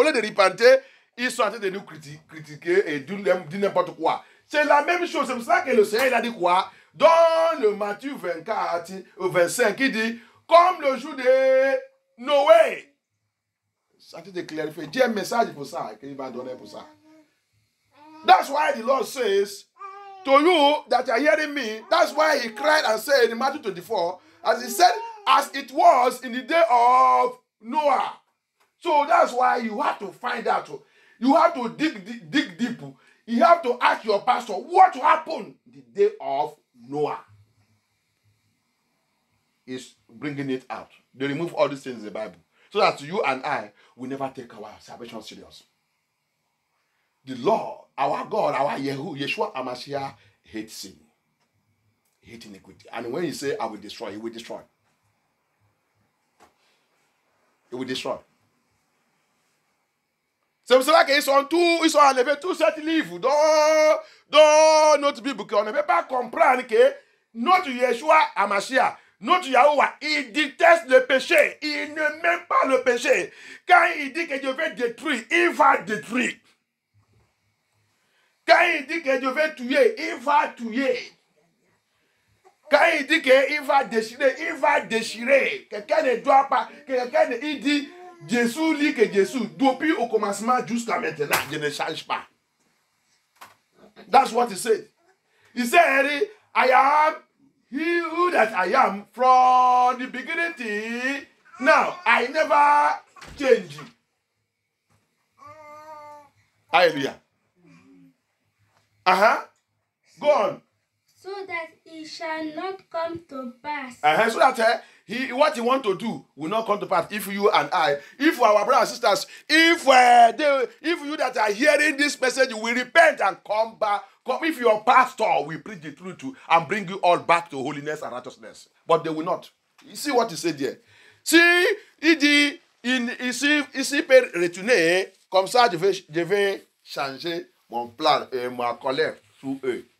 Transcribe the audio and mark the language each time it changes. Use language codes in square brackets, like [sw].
[fr] Au lieu de repentir, ils sont en train de nous critiquer et dire n'importe quoi. C'est la même chose, c'est pour ça que le Seigneur il a dit quoi? Dans le Matthieu 24, 25, il dit, comme le jour de Noé. Ça te clarifie. J'ai un message pour ça. Qu'il va donner pour ça. [en] That's why the Lord says to you that you are hearing me. That's why he cried and said in Matthew 24. As he said, as it was in the day of Noah. So that's why you have to find out. You have to dig deep. You have to ask your pastor what happened in the day of Noah. Is bringing it out. They remove all these things in the Bible. So that you and I will never take our salvation serious. The Lord, our God, our Yeshua HaMashiach, hates sin. Hates iniquity. And when he says, I will destroy, he will destroy. [fr] C'est pour cela qu'ils sont tous, ils sont enlevés tous ces livres dans notre Bible. Qu'on ne peut pas comprendre que notre Yeshua HaMashiach, notre Yahweh, il déteste le péché. Il ne met pas le péché. Quand il dit que je vais détruire, il va détruire. Quand il dit que je vais tuer, il va tuer. Quand il dit qu'il va déchirer, il va déchirer. Quelqu'un ne doit pas. Il dit, Jésus lit que Jésus, depuis au commencement jusqu'à maintenant, je ne change pas. [en] That's what he said. Il said, I am he who that I am from the beginning till now. I never change. Hallelujah. Go on. so that it shall not come to pass. Uh-huh. So that what he want to do will not come to pass. If you and I, if our brothers and sisters, if you that are hearing this message will repent and come back. Come, if your pastor will preach the truth to and bring you all back to holiness and righteousness. But they will not. You see what he said there. [fr] See, il dit, retourner, comme ça je vais changer mon plan et ma colère sous eux.